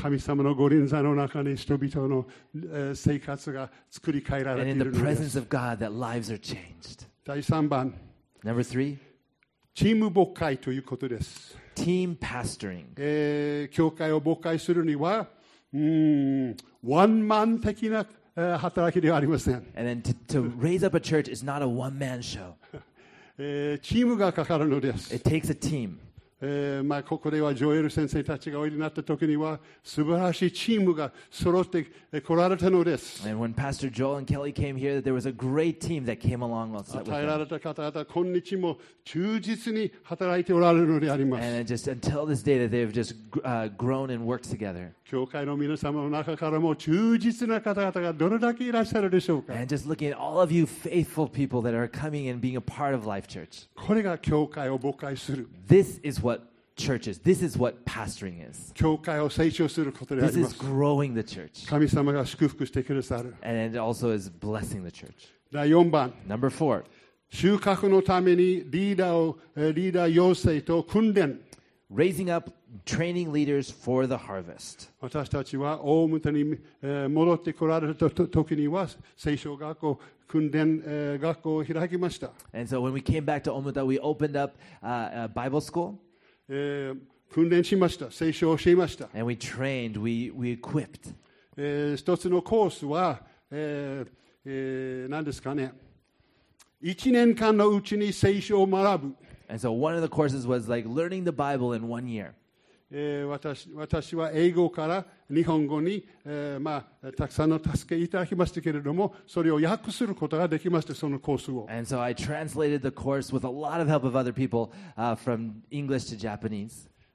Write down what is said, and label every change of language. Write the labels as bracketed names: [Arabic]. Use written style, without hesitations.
[Japanese] 神様の御臨在の中に人々の生活が作り変えられているのです。 [English] And in the presence of God, that lives are changed. [Japanese] 第三番。 [English] Number three. [Japanese] チーム牧会ということです。 [English] Team pastoring. [Japanese] 教会を牧会するには、one-man 的な働きではありません。 [English] And then to raise up a church is not a one-man show. [Japanese] チームがかかるのです。 [English] It takes a team. [Japanese] まあここではジョエル先生たちがおいでになった時には素晴らしいチームが揃って来られたのです。 [English] And when Pastor Joel and Kelly came here, there was a great team that came along with them. [Japanese] 与えられた方々今日も忠実に働いておられるのであります。 [English] And just until this day that they've just grown and worked together. [Japanese] 教会の皆様の中からも忠実な方々がどれだけいらっしゃるでしょうか。 [English] And just looking at all of you faithful people that are coming and being a part of Life Church. [Japanese] これが教会を牧会する。 [English] This is what church is. This is what pastoring is. [Japanese] 教会を成長することであります。 [English] This is growing the church. [Japanese] 神様が祝福してくださる。 [English] And it also is blessing the church. [Japanese] 第4番。 [English] Number four. [Japanese] 収穫のためにリーダー養成と訓練。 [English] Raising up training leaders for the harvest. [Japanese] 私たちは大牟田に戻ってこられた時には聖書学校訓練学校を開きました。 [English] And so when we came back to 大牟田, we opened up a Bible school. [Japanese] 訓練しました。聖書を教えました。 [English] And we trained, we equipped. [Japanese] 一つのコースは、何ですかね。 1年間のうちに聖書を学ぶ。 [English] And so one of the courses was like learning the Bible in one year. [Japanese] 私は英語から日本語に、まあ、たくさんの助けいただきましたけれども、それを訳することができました、そのコースを。 [English] And so I translated the course with a lot of help of other people, from English to Japanese.